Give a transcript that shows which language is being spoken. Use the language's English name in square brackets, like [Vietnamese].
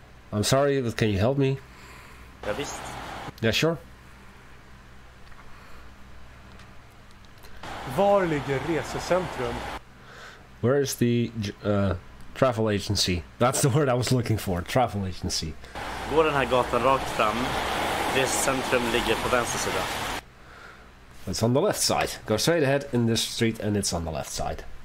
[English] I'm sorry, but can you help me? [Swedish] Ja visst. [English] Yeah, sure. [Swedish] Var ligger resecentrum? [English] Where is the travel agency? That's the word I was looking for, travel agency. [Swedish] Gå den här gatan rakt fram. Resecentrum ligger på vänster sida. [English] It's on the left side. Go straight ahead in this street and it's on the left side.